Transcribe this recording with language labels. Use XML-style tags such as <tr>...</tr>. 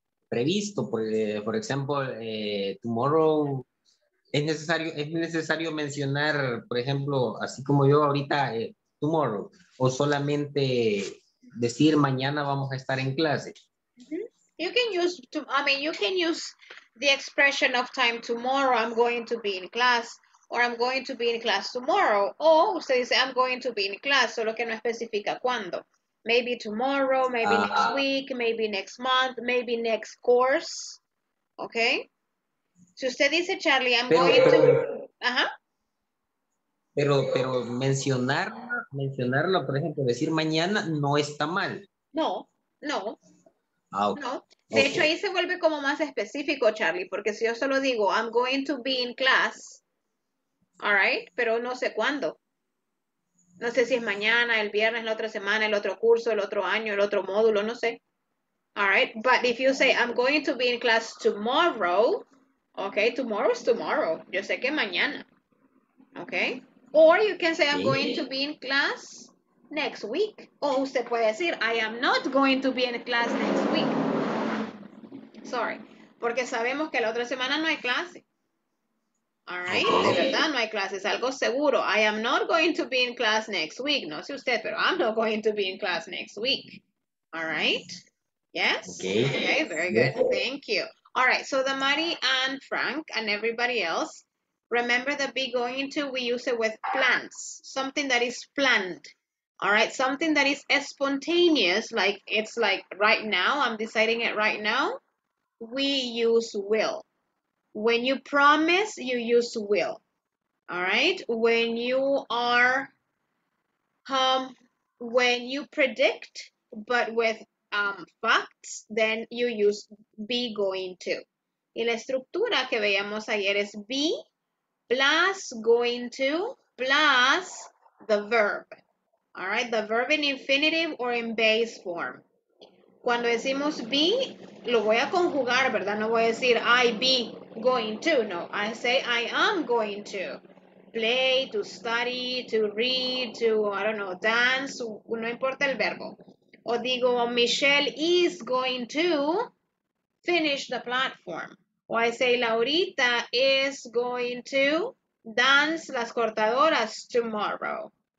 <es>previsto, por ejemplo, tomorrow, es necesario mencionar, por ejemplo, así como yo ahorita, tomorrow, o solamente decir mañana vamos a estar en clase. Mm-hmm.</es> <en>You can use the expression of time tomorrow, I'm going to be in class, or I'm going to be in class tomorrow,</en> <es>o usted dice</es> <en>I'm going to be in class,</en> <es>solo que no especifica cuándo.</es> <en>Maybe tomorrow, maybe next week, maybe next month, maybe next course. Okay?</en> <es>Si usted dice, Charlie,</es> <en>I'm going to...</en> <es>Ajá. Pero mencionarlo, por ejemplo, decir mañana, no está mal. No. Ah, okay. No. De hecho, ahí se vuelve como más específico, Charlie, porque si yo solo digo,</es> <en>I'm going to be in class,</en> <es>all right, pero no sé cuándo. No sé si es mañana, el viernes, la otra semana, el otro curso, el otro año, el otro módulo, no sé.</es> <en>All right, but if you say, I'm going to be in class tomorrow, okay, tomorrow is tomorrow.</en> <es>Yo sé que mañana,</es> <en>okay? Or you can say, I'm going to be in class next week.</en> <es>O usted puede decir,</es> <en>I am not going to be in class next week.</en> <es>Sorry, porque sabemos que la otra semana no hay clase. All right, de verdad, no hay clases, algo seguro.</es> <en>I am not going to be in class next week.</en> <es>No sé usted, pero</es> <en>I'm not going to be in class next week. All right, yes? Okay, very good, thank you. All right, so the Mari and Frank and everybody else, remember that be going to, we use it with plans, something that is planned. All right, something that is spontaneous, like it's like right now, I'm deciding it right now, we use will. When you promise, you use will, all right? When you are, when you predict, but with facts, then you use be going to.</en> <es>Y la estructura que veíamos ayer es</es> <en>be plus going to plus the verb, all right? The verb in infinitive or in base form.</en> <es>Cuando decimos be, lo voy a conjugar, ¿verdad? No voy a decir</es> <en>I be going to. No, I say I am going to play, to study, to read, to, I don't know, dance.</en> <es>No importa el verbo. O digo,</es> <en>Michelle is going to finish the platform. O I say, Laurita is going to dance las cortadoras tomorrow.</en>